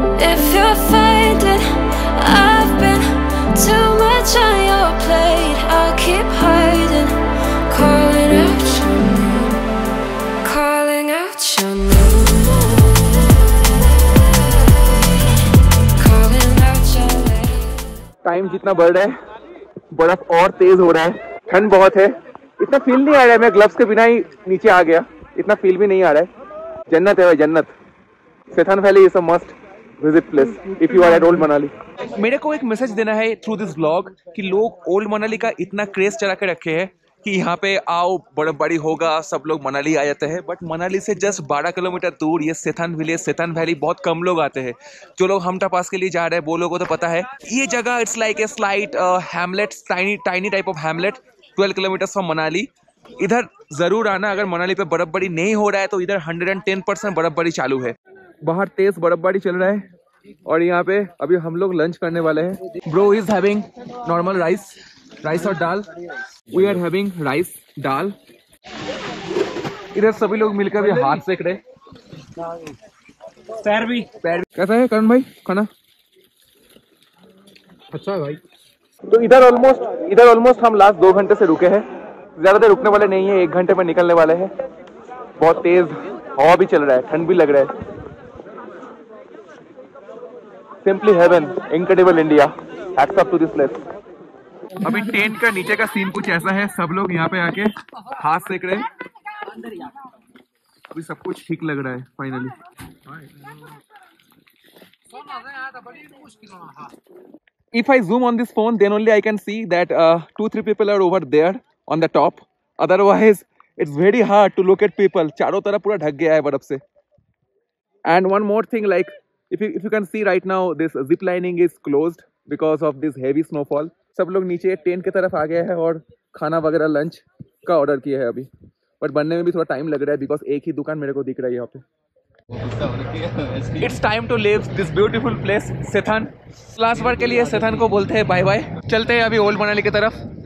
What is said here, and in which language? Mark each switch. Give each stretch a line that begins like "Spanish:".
English: If you're finding I've been too much on your plate, I'll keep hiding, calling out your name, calling out your name.
Hindi: Time जितना बढ़ रहा है बर्फ और तेज हो रहा है, ठंड बहुत है, इतना फील नहीं आ रहा है. मैं ग्लव्स के बिना ही नीचे आ गया, इतना फील भी नहीं आ रहा है. जन्नत है भाई जन्नत.
English: Sethan valley is a must visit place if you are at old Manali.
Hindi: मेरे को एक मैसेज देना है
English: through this blog
Hindi: कि लोग ओल्ड मनाली का इतना क्रेज चला के रखे है कि यहाँ पे आओ बड़े बड़ी होगा, सब लोग मनाली आ जाते हैं. बट मनाली से जस्ट 12 किलोमीटर दूर ये सेथान विलेज, सेथान वैली बहुत कम लोग आते हैं. जो लोग हमटा पास के लिए जा रहे हैं वो लोगों को तो पता है ये जगह.
English: It's like a slight hamlet, tiny tiny type of hamlet 12 kilometre from Manali.
Hindi: इधर ज़रूर आना अगर मनाली पर बर्फबारी नहीं हो रहा है तो. इधर 110% बर्फबारी चालू है, बाहर तेज़ बर्फबारी चल रहा है. और यहाँ पे अभी हम लोग लंच करने वाले हैं.
English: bro is having normal rice, rice
Hindi: और दाल.
English: We are having rice, dal.
Hindi: इधर सभी लोग मिलकर भी हाथ सेक रहे, पैर भी. कैसा है करण भाई खाना? अच्छा भाई. तो इधर ऑलमोस्ट हम लास्ट 2 घंटे से रुके हैं, ज्यादा देर रुकने वाले नहीं है, 1 घंटे में निकलने वाले हैं. बहुत तेज हवा भी चल रहा है, ठंड भी लग रहा है.
English: Simply heaven, incredible India, hats off to this place.
Hindi: अभी टेंट का नीचे का सीन कुछ ऐसा है, सब लोग यहाँ पे आके हाथ सेक रहे हैं, अभी सब कुछ ठीक लग रहा है finally.
English: If I zoom on this phone, then only I can see that 2-3 people are over there on the top. Otherwise, it's very hard to look at people.
Hindi: चारों तरफ पूरा ढक गया है बर्फ से.
English: And one more thing, like if you can see right now, this zip lining is closed because of this heavy snowfall.
Hindi: सब लोग नीचे टेंट की तरफ आ गए हैं और खाना वगैरह लंच का ऑर्डर किया है अभी. बट बनने में भी थोड़ा टाइम लग रहा है बिकॉज एक ही दुकान मेरे को दिख रहा है यहाँ पे.
English: it's time to leave this beautiful place
Hindi: Sethan. Last बार के लिए सेथन को बोलते हैं बाय बाय. चलते हैं अभी ओल्ड मनाली की तरफ.